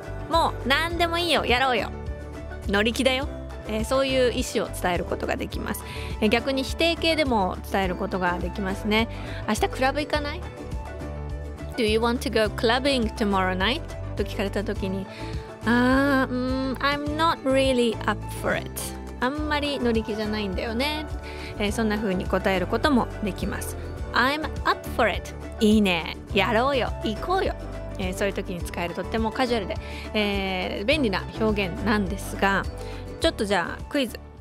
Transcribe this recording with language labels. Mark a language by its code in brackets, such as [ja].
[ja] もう何でもいいよ、やろうよ、乗り気だよ。そういう意思を伝えることができます。逆に否定形でも伝えることができますね。明日クラブ行かない？ [en] Do you want to go clubbing tomorrow night? [ja] と聞かれた時に、 [en] I'm not really up for it. [ja] あんまり乗り気じゃないんだよね。そんな風に答えることもできます。 [en] I'm up for it. [ja] いいね、やろうよ、行こうよ。そういう時に使える、とってもカジュアルで、便利な表現なんですが、ちょっとじゃあクイズ。